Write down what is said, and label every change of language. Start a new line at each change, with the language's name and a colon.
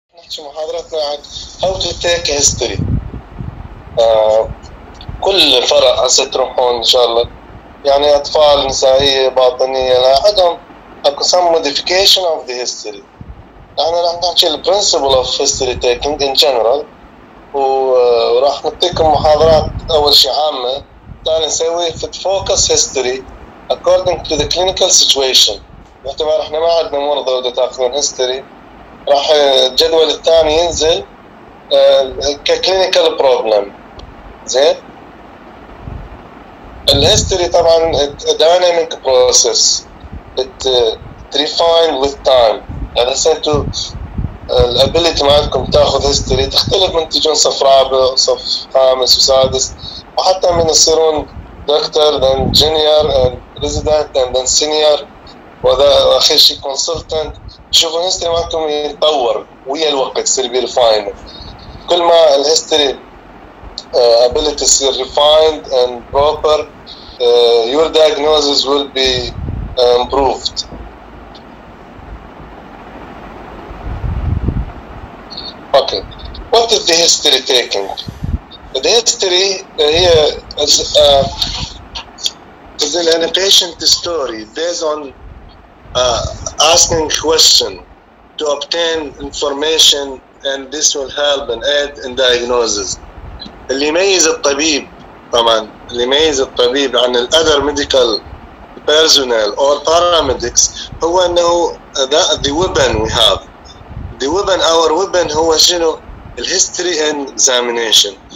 Arabic: في محاضراتنا عن
English: how to take history.
Arabic: كل فرع ستروحون إن شاء الله يعني أطفال نسائية باطنية عندهم أكو
English: some modification of the history.
Arabic: أنا راح نحكي
English: the principle of history taking in general
Arabic: وراح نعطيكم محاضرات أول شيء عامة تعال نسوي في
English: focus history according to the clinical situation.
Arabic: باعتبار إحنا ما عندنا مرضى وده تأخذون history راح الجدول الثاني ينزل كclinical problem. زين الهيستوري طبعا
English: dynamic process it refine with time.
Arabic: يعني سنتو الابيليتي معكم تاخذ هيستوري تختلف من تجون صف رابع صف خامس وسادس وحتى من يصيرون دكتور
English: then junior and resident and then senior
Arabic: وهذا اخر شيء consultant. شوفوا الهيستوري معكم يتطور ويا الوقت يصير بي ريفاين كل ما الهيستوري
English: ability to be refined and proper your diagnosis will be improved. Okay, what is the history taking? The history here is a patient story based on asking question to obtain information and this will help and aid in diagnosis.
Arabic: اللي يميز الطبيب طبعا اللي يميز الطبيب عن
English: الاذر medical personal or paramedics
Arabic: هو انه
English: the weapon we have. The weapon our weapon
Arabic: هو شنو الهيستوري اند اكزامينيشن.